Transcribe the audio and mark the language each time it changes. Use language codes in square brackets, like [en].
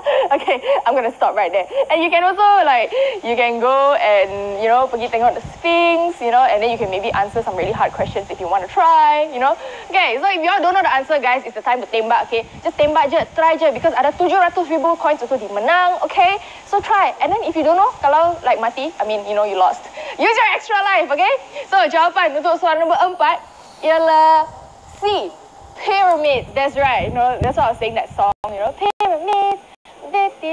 [en] Okay, I'm gonna stop right there. And you can also like, you can go and, you know, [ms] pergi tengok [en] the Sphinx, you know, and then you can maybe answer some really hard questions if you want to try, you know. Okay, so if y'all don't know the answer, guys, it's the time to tembak, okay? Just [ms] tembak je, [en] try je, because ada 700,000 coins [ms] untuk dimenang, [en] okay? So try. And then if you don't know, [ms] kalau like mati, [en] I mean, you know, you lost. Use your extra life, okay? [ms] So jawapan untuk soalan nombor empat ialah C, pyramid. [en] That's right, you know, that's what I was saying, that song, you know, pyramid. Okay.